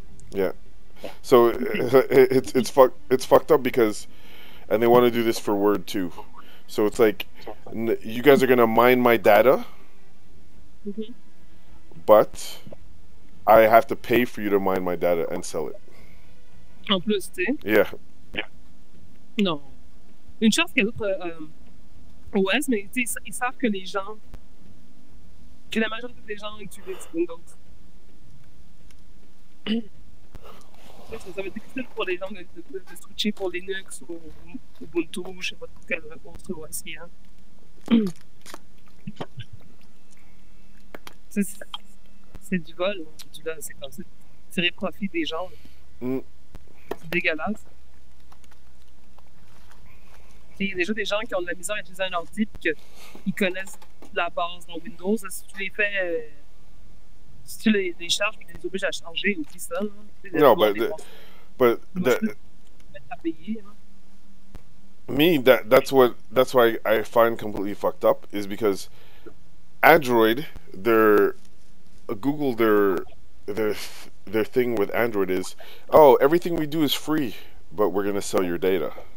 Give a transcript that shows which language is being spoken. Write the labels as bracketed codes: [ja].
[en] Yeah. So it's fucked up because, and they want to do this for Word too. So it's like, you guys are gonna mine my data. Mm-hmm. But I have to pay for you to mine my data and sell it. [fr] En plus, tu sais? [en] Yeah. [fr] Non. Une chose qu'il y a d'autres OS, mais tu sais, ils savent que les gens. Que la majorité des gens utilisent Windows. Ça va être difficile pour les gens de switcher pour Linux ou Ubuntu, ou je sais pas quel autre OS il y a. C'est du vol, là, c'est comme c'est tirer profit des gens. Mm. C'est dégueulasse. Il y a déjà des gens qui ont de la misère à utiliser un ordi et qu'ils connaissent la base dans Windows. Là, si tu les fais. Si tu les charges et les obliges à changer ou tout ça. Non, mais. À payer. Là. [en] Me, that's why I find completely fucked up is because Android, their thing with Android is, oh, everything we do is free, but we're gonna sell your data.